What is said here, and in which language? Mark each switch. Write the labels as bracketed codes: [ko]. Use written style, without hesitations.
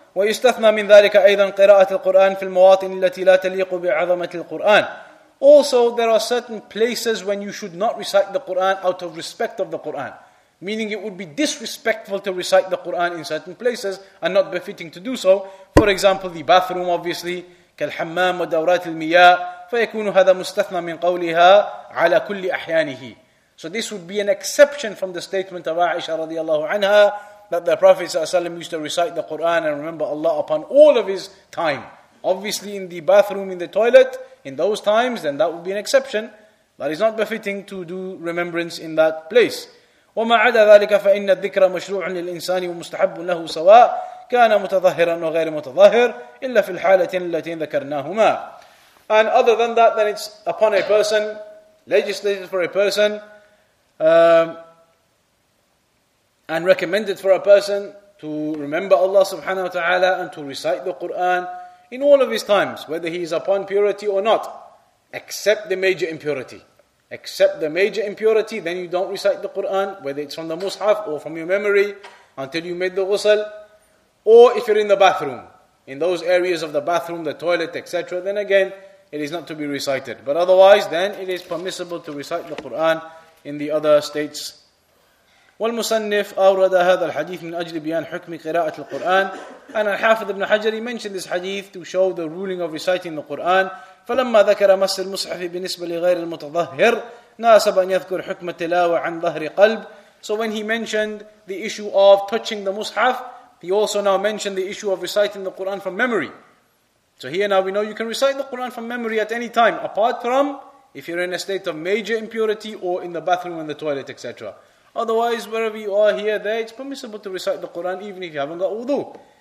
[ar] وَيُسْتَثْنَى مِنْ ذَلِكَ أَيْضًا قِرَاءَةُ الْقُرْآنِ فِي الْمَوَاطِنِ الَّتِي لَا تَلِيقُ بِعَظَمَةِ الْقُرْآنِ. [en] Also, there are certain places when you should not recite the Qur'an out of respect of the Qur'an. Meaning it would be disrespectful to recite the Qur'an in certain places and not befitting to do so. For example, the bathroom, obviously. [ar] كالحمام ودورات المياه. فيكون هذا مستثنى من قولها على كل أحيانه. [en] So this would be an exception from the statement of Aisha [ar] رضي الله عنها [en] that the Prophet [ar] صلى الله عليه وسلم [en] used to recite the Quran and remember Allah upon all of his time. Obviously in the bathroom, in the toilet, in those times, then that would be an exception. That is not befitting to do remembrance in that place. [ar] وما عدا ذلك فإن الذكر مشروع للإنسان ومستحب له سواء كان متظاهرا وغير متظاهر إلا في الحالة التي ذكرناهما. [en] And other than that, then it's upon a person, legislated for a person, and recommended for a person to remember Allah subhanahu wa ta'ala and to recite the Quran in all of his times, whether he is upon purity or not, except the major impurity. Except the major impurity, then you don't recite the Quran, whether it's from the mushaf or from your memory, until you made the ghusl, or if you're in the bathroom, in those areas of the bathroom, the toilet, etc., then again, it is not to be recited. But otherwise, then it is permissible to recite the Quran in the other states. [ar] والمصنف أورد هذا الحديث من أجل بيان حكم قراءة القرآن. [en] And Al-Hafidh ibn Hajar, he mentioned this hadith to show the ruling of reciting the Quran. [ar] فلما ذكر مس المصحف بالنسبة لغير المتظهر ناسب أن يذكر حكم التلاوة عن ظهر قلب. [en] So when he mentioned the issue of touching the mushaf, he also now mentioned the issue of reciting the Quran from memory. So here now we know you can recite the Quran from memory at any time, apart from if you're in a state of major impurity or in the bathroom and the toilet, etc. Otherwise, wherever you are here, there, it's permissible to recite the Quran even if you haven't got wudu.